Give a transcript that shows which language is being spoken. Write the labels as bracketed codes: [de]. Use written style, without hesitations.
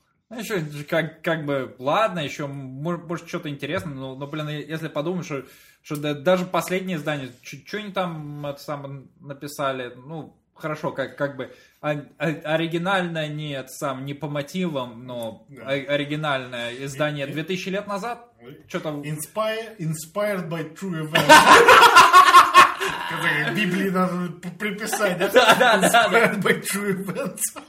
[ru] Еще как бы, ладно, еще может что-то интересное, но, блин, если подумать, что даже последнее издание, что они там это самое написали, ну, хорошо, как бы, оригинальное не, это сам, не по мотивам, но да. Оригинальное издание 2000 лет назад, что-то... [en] Inspired by true events. [ru] Библии надо приписать, да? [en] Inspired by true events.